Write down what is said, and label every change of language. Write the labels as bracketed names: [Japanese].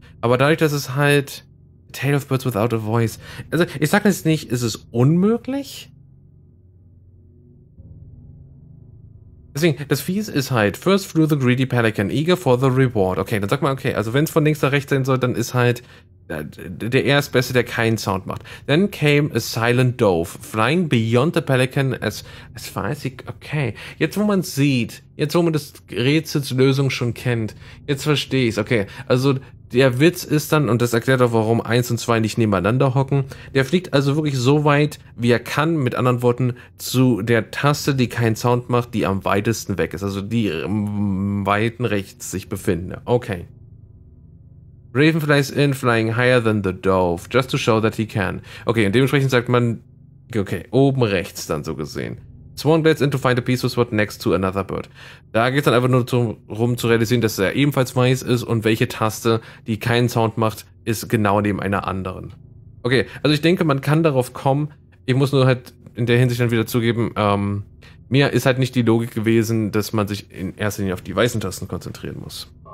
[German] Aber dadurch, dass es halt Tale of Birds Without a Voice, also ich sage jetzt nicht, ist es unmöglich? Deswegen, das Fies ist halt, [English] first flew the greedy pelican, eager for the reward. [German] Okay, dann sag mal, okay, also wenn es von links nach rechts sein soll, dann ist halt der Erstbeste, der keinen Sound macht. [English] Then came a silent dove, flying beyond the pelican as far as he... [German] Okay, jetzt wo man es sieht, jetzt wo man das Rätsels Lösung schon kennt, jetzt verstehe ich es. Okay, also der Witz ist dann, und das erklärt auch, warum 1 und 2 nicht nebeneinander hocken, der fliegt also wirklich so weit, wie er kann, mit anderen Worten, zu der Taste, die keinen Sound macht, die am weitesten weg ist, also die im weiten rechts sich befinde. Okay. [English] Raven flies in, flying higher than the dove, just to show that he can. [German] Okay, und dementsprechend sagt man, okay, oben rechts dann so gesehen. [English] Swan glides in to find a peaceful spot next to another bird. [German] Da geht es dann einfach nur darum zu realisieren, dass er ebenfalls weiß ist und welche Taste, die keinen Sound macht, ist genau neben einer anderen. Okay, also ich denke, man kann darauf kommen. Ich muss nur halt in der Hinsicht dann wieder zugeben, mir ist halt nicht die Logik gewesen, dass man sich in erster Linie auf die weißen Tasten konzentrieren muss.